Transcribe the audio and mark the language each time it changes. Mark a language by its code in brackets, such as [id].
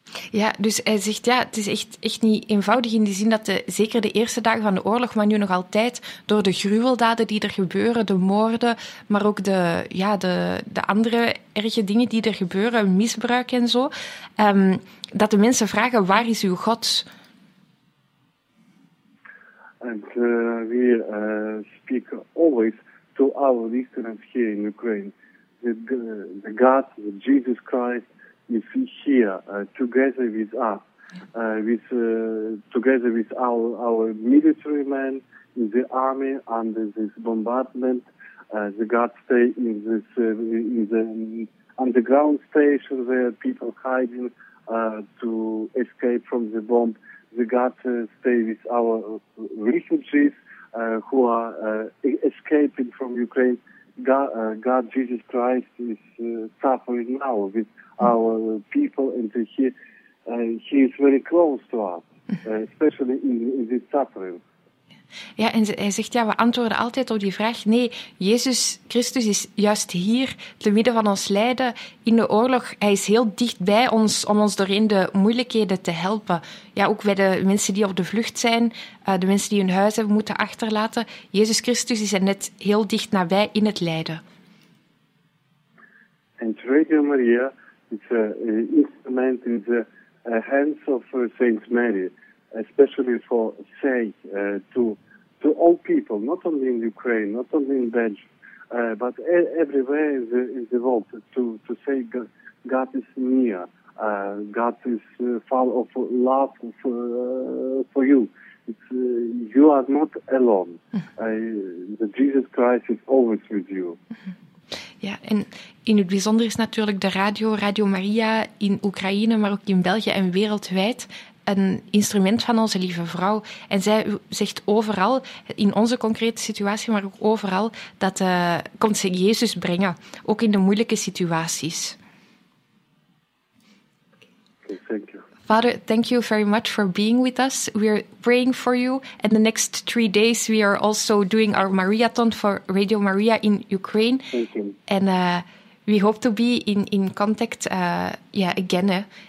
[nl] Ja, dus hij zegt, ja, het is echt niet eenvoudig in die zin dat zeker de eerste dagen van de oorlog, maar nu nog altijd door de gruweldaden die er gebeuren, de moorden, maar ook de andere erge dingen die er gebeuren, misbruik en zo, dat de mensen vragen, waar is uw God? [en] And we speak always to our listeners here in Ukraine, the God, the Jesus Christ, is here together with our military men in the army under this bombardment. The guards stay in this in the underground station where people hiding to escape from the bomb. The guards stay with our refugees who are escaping from Ukraine. God Jesus Christ is suffering now with our people, and he is very close to us, especially in this suffering. [nl] Ja, en hij zegt, ja, we antwoorden altijd op die vraag, nee, Jezus Christus is juist hier, te midden van ons lijden, in de oorlog. Hij is heel dicht bij ons om ons doorheen de moeilijkheden te helpen. Ja, ook bij de mensen die op de vlucht zijn, de mensen die hun huis hebben moeten achterlaten. Jezus Christus is er net heel dicht nabij in het lijden. En Radio Maria is een instrument in de [en] hands of [nl] Saint Mary. [en] Especially for sake to all people, not only in Ukraine, not only in Belgium, but everywhere in the world, to say God is near, God is full of love for you. You are not alone. The Jesus Christ is always with you. [nl] Ja, en in het bijzonder is natuurlijk de radio, Radio Maria in Oekraïne, maar ook in België en wereldwijd. Een instrument van onze lieve vrouw. En zij zegt overal, in onze concrete situatie, maar ook overal, dat komt ze Jezus brengen, ook in de moeilijke situaties. [en] Thank you. Father, thank you very much for being with us. We are praying for you. And the next 3 days we are also doing our Mariathon for Radio Maria in Ukraine. Thank you. And we hope to be in contact again.